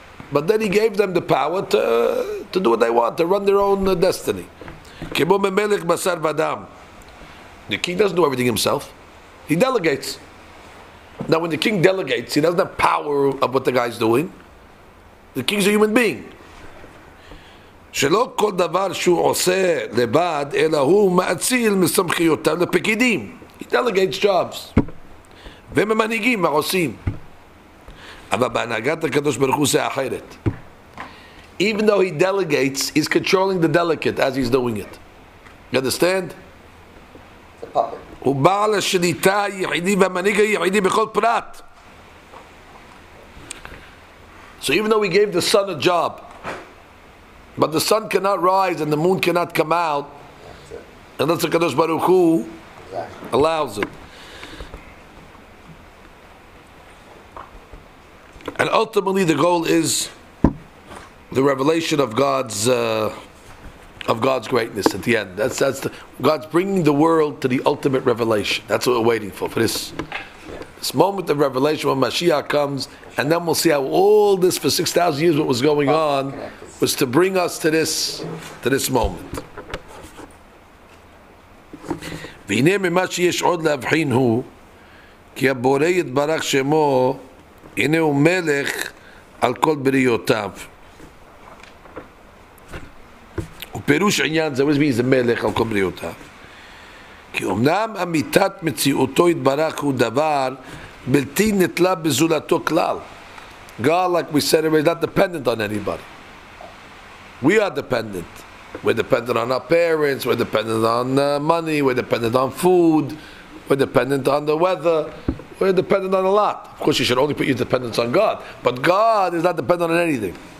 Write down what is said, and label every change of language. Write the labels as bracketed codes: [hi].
[en] But then he gave them the power to do what they want, to run their own destiny. [he] Kemo memelech basar vadam. [en] The king doesn't do everything himself. He delegates. Now when the king delegates, he doesn't have power of what the guy's doing. The king's a human being. [he] שלא כל דבר שהוא עושה לבד, אלא הוא מאציל מסמכיותיו לפקידים. [en] He delegates jobs. [he] וממנהיגים, מה עושים? אבל בהנהגת הקדוש ברוך הוא זה אחרת. [en] Even though he delegates, he's controlling the delegate as he's doing it. You understand? [he] הוא בעל השליטה היחידי והמנהיג היחידי בכל פרט. [en] So even though he gave the son a job, but the sun cannot rise and the moon cannot come out unless the Kadosh Baruch Hu allows it. And ultimately the goal is the revelation of God's greatness at the end. That's the, God's bringing the world to the ultimate revelation. That's what we're waiting for this, this moment of revelation when Mashiach comes, and then we'll see how all this for 6,000 years, what was going on, was to bring us to this moment. [he] והנה ממה שיש עוד להבחין הוא, כי הבורא יתברך שמו, הנה הוא מלך על כל בריאותיו. ופירוש עניין זה, מי זה מלך על כל בריאותיו? כי אמנם אמיתת מציאותו יתברך הוא דבר בלתי נתלה בזולתו כלל. [en] God, like we said, is not dependent on anybody. We are dependent. We're dependent on our parents. We're dependent on money. We're dependent on food. We're dependent on the weather. We're dependent on a lot. Of course, you should only put your dependence on God. But God is not dependent on anything.